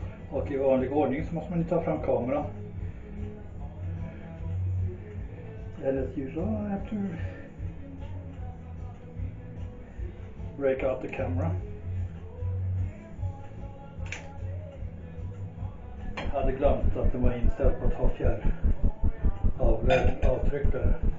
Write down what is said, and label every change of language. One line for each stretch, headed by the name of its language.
Swedish: Och i vanlig ordning så måste man ju ta fram kameran.
English: And as usual, I have to break out the camera.
Swedish: I had glömt att det var inställt på att ha fjärravtryck där.